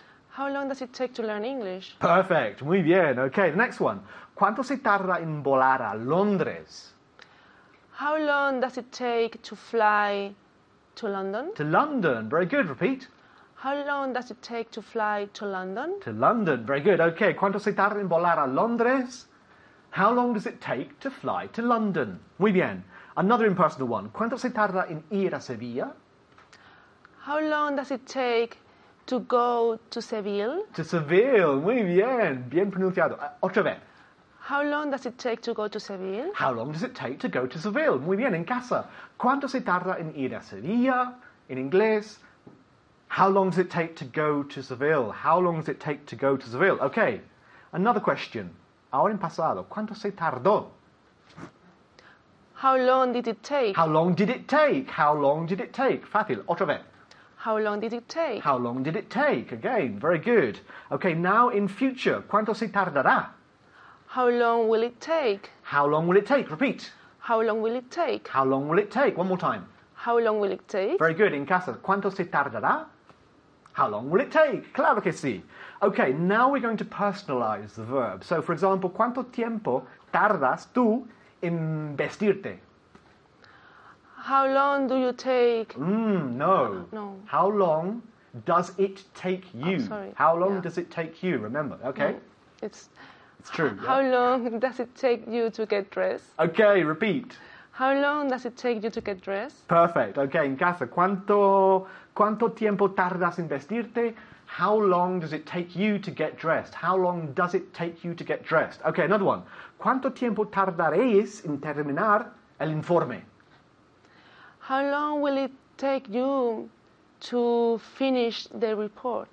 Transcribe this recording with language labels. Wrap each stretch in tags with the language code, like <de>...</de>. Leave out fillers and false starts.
<en>How long does it take to learn English? Perfect.</en> <es>Muy bien.</es> <en>Okay, the next one.</en> <es>¿Cuánto se tarda en volar a Londres?</es> <en>How long does it take to fly to London? To London. Very good. Repeat. How long does it take to fly to London? To London. Very good.</en> <es>Okay, ¿cuánto se tarda en volar a Londres?</es> <en>How long does it take to fly to London?</en> <es>Muy bien.</es> <en>Another impersonal one.</en> <es>¿Cuánto se tarda en ir a Sevilla?</es> <en>How long does it take to go to Seville? To Seville.</en> <es>Muy bien. Bien pronunciado. Otra vez.</es> <en>How long does it take to go to Seville? How long does it take to go to Seville?</en> <es>Muy bien. En casa. ¿Cuánto se tarda en ir a Sevilla? In inglés.</es> <en>How long does it take to go to Seville? How long does it take to go to Seville?</en> <es>Okay.</es> <en>Another question.</en> <es>Ahora en pasado. ¿Cuánto se tardó?</es> <en>How long did it take? How long did it take? How long did it take?</en> <es>Fácil. Otra vez.</es> <en>How long did it take? How long did it take? Again, very good. Okay, now in future,</en> <es>¿cuánto se tardará?</es> <en>How long will it take? How long will it take? Repeat. How long will it take? How long will it take? One more time. How long will it take? Very good.</en> <es>En casa, ¿cuánto se tardará?</es> <en>How long will it take?</en> <es>Claro que sí.</es> <en>Okay, now we're going to personalize the verb. So, for example, ¿cuánto tiempo tardas tú en vestirte? How long do you take? No. How long does it take you? Oh, sorry. How long does it take you? Remember, okay? It's true. How long does it take you to get dressed? Okay, repeat. How long does it take you to get dressed? Perfect.</en> <es>Okay, en casa, ¿cuánto tiempo tardas en vestirte?</es> <en>How long does it take you to get dressed? How long does it take you to get dressed?</en> <es>Okay,</es> <en>another one.</en> <es>¿Cuánto tiempo tardaréis en terminar el informe?</es> <en>How long will it take you to finish the report?</en>